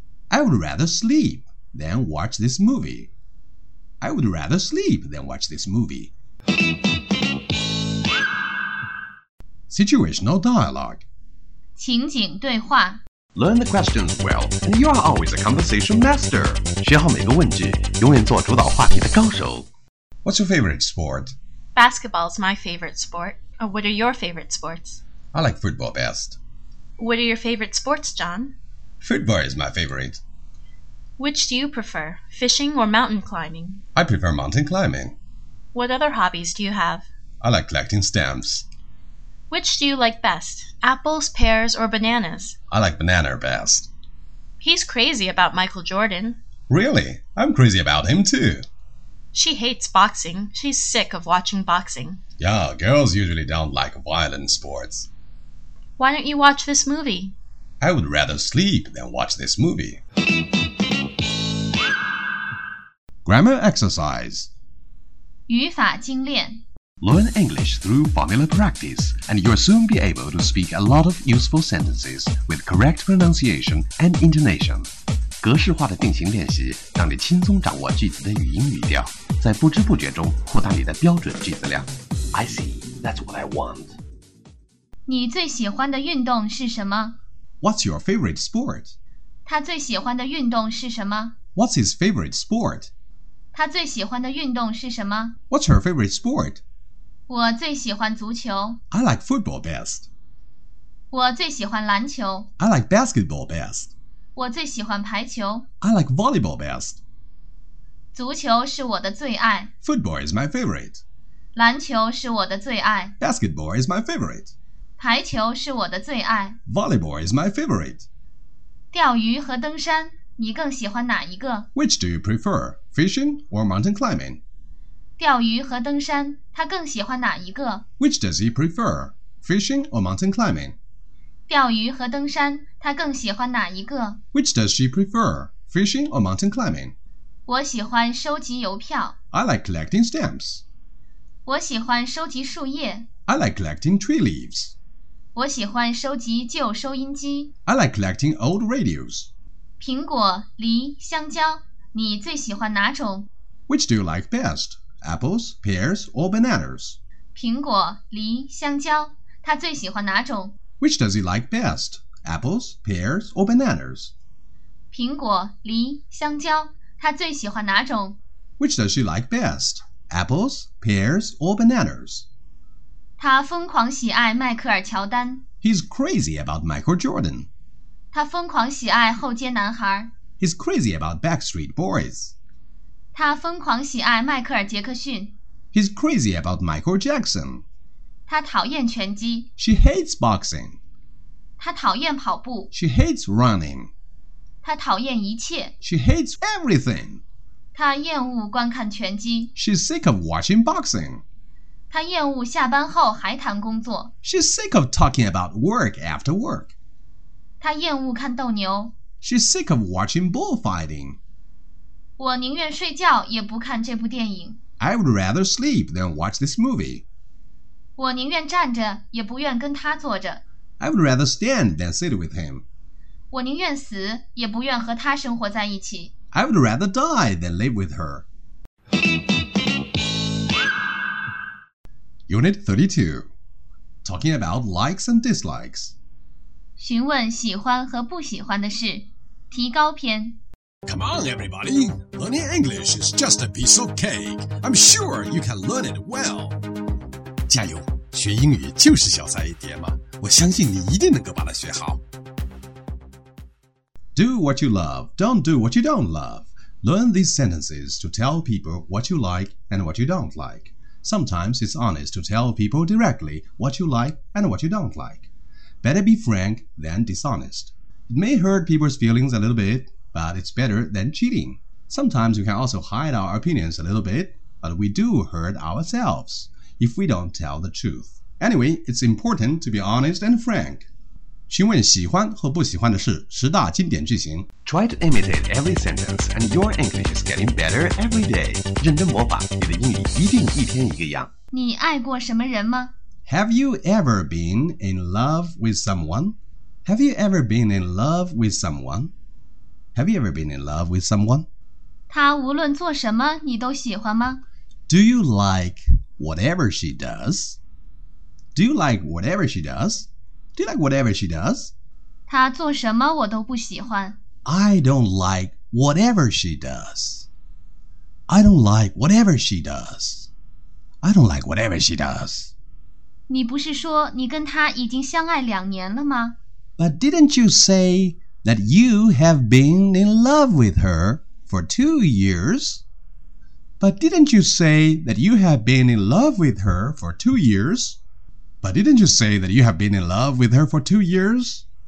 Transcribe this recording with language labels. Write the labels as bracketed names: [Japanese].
[English] I would rather sleep than watch this movie. I would rather sleep than watch this movie. Situational dialogue. [Chinese] 情景对话 [English] Learn the questions well, and you are always a conversation master. [Chinese] 学好每个问句，永远做主导话题的高手 [English] What's your favorite sport? Basketball's my favorite sport. What are your favorite sports? I like football best. What are your favorite sports, John? Football is my favorite. Which do you prefer, fishing or mountain climbing? I prefer mountain climbing. What other hobbies do you have? I like collecting stamps. Which do you like best, apples, pears, or bananas? I like banana best. He's crazy about Michael Jordan. Really? I'm crazy about him too. She hates boxing. She's sick of watching boxing. Yeah, girls usually don't like violent sports. Why don't you watch this movie? I would rather sleep than watch this movie. Grammar exercise. [Chinese] 语法精炼 [English] Learn English through formula practice, and you'll soon be able to speak a lot of useful sentences with correct pronunciation and intonation. [Chinese] 格式化的定型练习让你轻松掌握句子的语音语调，在不知不觉中扩大你的标准句子量。 [English] I see, that's what I want. [Chinese] 你最喜欢的运动是什么 [English] ？What's your favorite sport？ [Chinese] 他最喜欢的运动是什么 [English] ？What's his favorite sport？ [Chinese] 他最喜欢的运动是什么 [English] ？What's her favorite sport？ [Chinese] 我最喜欢足球。 [English] I like football best。 [Chinese] 我最喜欢篮球。 [English] I like basketball best。 [Chinese] 我最喜欢排球。 [English] I like volleyball best。 [Chinese] 足球是我的最爱。 [English] Football is my favorite。 [Chinese] 篮球是我的最爱。 [English] Basketball is my favorite。 [Chinese] 排球是我的最爱。 [English] Volleyball is my favorite. [Chinese] 钓鱼和登山，你更喜欢哪一个？ [English] Which do you prefer, fishing or mountain climbing? [Chinese] 钓鱼和登山，他更喜欢哪一个？ [English] Which does he prefer, fishing or mountain climbing? [Chinese] 钓鱼和登山，她更喜欢哪一个？ [English] Which does she prefer, fishing or mountain climbing? [Chinese] 我喜欢收集邮票。 [English] I like collecting stamps. [Chinese] 我喜欢收集树叶。 [English] I like collecting tree leaves. [Chinese] 我喜欢收集旧收音机。 [English] I like collecting old radios. [Chinese] 苹果、梨、香蕉，你最喜欢哪种？ [English] Which do you like best, apples, pears, or bananas? [Chinese] 苹果、梨、香蕉，她最喜欢哪种？ [English] Which does he like best, apples, pears, or bananas? [Chinese] 苹果、梨、香蕉，她最喜欢哪种？ [English] Which does she like best, apples, pears, or bananas? [Chinese] 她疯狂喜爱迈克尔·乔丹。 [English] He's crazy about Michael Jordan. [Chinese] 她疯狂喜爱后街男孩。 [English] He's crazy about Backstreet Boys. [Chinese] 她疯狂喜爱迈克尔·杰克逊。 [English] He's crazy about Michael Jackson. [Chinese] 她讨厌拳击。 [English] She hates boxing. [Chinese] 她讨厌跑步。 [English] She hates running. [Chinese] 她讨厌一切。 [English] She hates everything. [Chinese] 她厌恶观看拳击。 [English] She's sick of watching boxing. [Chinese] 她厌恶下班后还谈工作。 [English] She's sick of talking about work after work. [Chinese] 她厌恶看斗牛。 [English] She's sick of watching bullfighting. [Chinese] 我宁愿睡觉也不看这部电影。 [English] I would rather sleep than watch this movie. [Chinese] 我宁愿站着也不愿跟他坐着。 [English] I would rather stand than sit with him. [Chinese] 我宁愿死也不愿和他生活在一起。 [English] I would rather die than live with her. Unit 32. Talking about likes and dislikes. [Chinese] 询问喜欢和不喜欢的事，提高篇。 [English] Come on, everybody! Learning English is just a piece of cake. I'm sure you can learn it well. [Chinese] 加油，学英语就是小菜一碟嘛！我相信你一定能够把它学好。 [English] Do what you love, don't do what you don't love. Learn these sentences to tell people what you like and what you don't like. Sometimes it's honest to tell people directly what you like and what you don't like. Better be frank than dishonest. It may hurt people's feelings a little bit, but it's better than cheating. Sometimes we can also hide our opinions a little bit, but we do hurt ourselves if we don't tell the truth. Anyway, it's important to be honest and frank. [Chinese] 询问喜欢和不喜欢的事，十大经典句型。 [English] Try to imitate every sentence, and your English is getting better every day. [Chinese] 认真模仿，你的英语一定一天一个样。你爱过什么人吗？ [English] Have you ever been in love with someone? Have you ever been in love with someone? Have you ever been in love with someone? [Chinese] 她无论做什么你都喜欢吗? [English] Do you like whatever she does? Do you like whatever she does? Do you like whatever she does? [Chinese] 她做什么我都不喜欢。 [English] I don't like whatever she does. I don't like whatever she does. I don't like whatever she does. [Chinese] 你不是说你跟他已经相爱两年了吗? [English] But didn't you say that you have been in love with her for 2 years? But didn't you say that you have been in love with her for 2 years? But didn't you say that you have been in love with her for 2 years?